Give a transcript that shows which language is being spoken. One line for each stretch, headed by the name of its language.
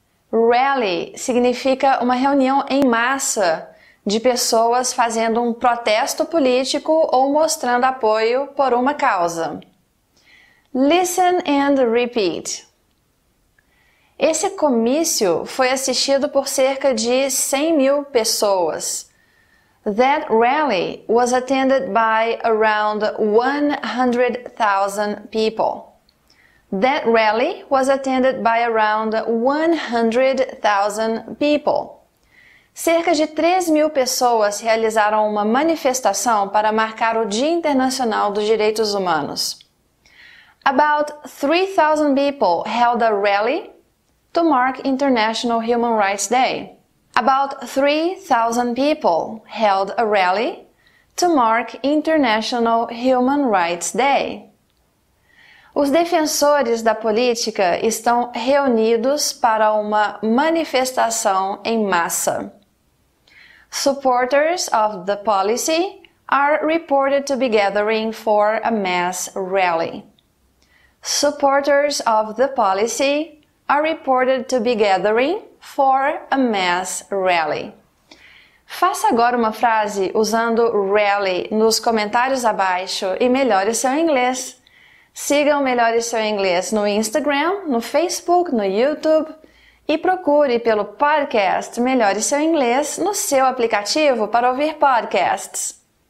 Portuguese: Rally significa uma reunião em massa de pessoas fazendo um protesto político ou mostrando apoio por uma causa.
English: Listen and repeat.
Portuguese: Esse comício foi assistido por cerca de 100 mil pessoas.
English: That rally was attended by around 100,000 people. That rally was attended by around 100,000 people.
Portuguese: Cerca de 3 mil pessoas realizaram uma manifestação para marcar o Dia Internacional dos Direitos Humanos.
English: About 3,000 people held a rally to mark International Human Rights Day. About 3,000 people held a rally to mark International Human Rights Day.
Portuguese: Os defensores da política estão reunidos para uma manifestação em massa.
English: Supporters of the policy are reported to be gathering for a mass rally. Supporters of the policy are reported to be gathering for a mass rally.
Portuguese: Faça agora uma frase usando rally nos comentários abaixo e melhore seu inglês. Siga o Melhore Seu Inglês no Instagram, no Facebook, no YouTube e procure pelo podcast Melhore Seu Inglês no seu aplicativo para ouvir podcasts.